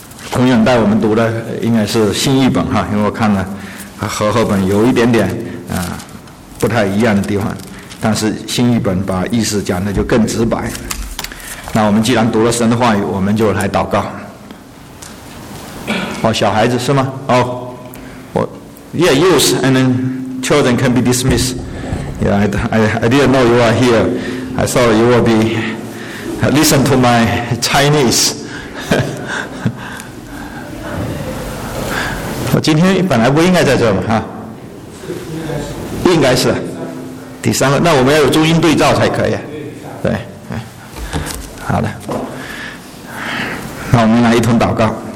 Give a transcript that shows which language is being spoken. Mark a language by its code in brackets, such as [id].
[zh] 从小带我们读的应该是新译本哈，因为我看了和和合本有一点点不太一样的地方，但是新译本把意思讲的就更直白。那我们既然读了神的话语，我们就来祷告。哦，小孩子是吗？哦，我 [en] Yeah, youth and then children can be dismissed. Yeah, I didn't know you are here. I thought you will be listen to my Chinese. [zh] 我今天本来不应该在这儿嘛，哈、啊，应该是第三个，那我们要有中英对照才可以，对，好的，那我们来一同祷告。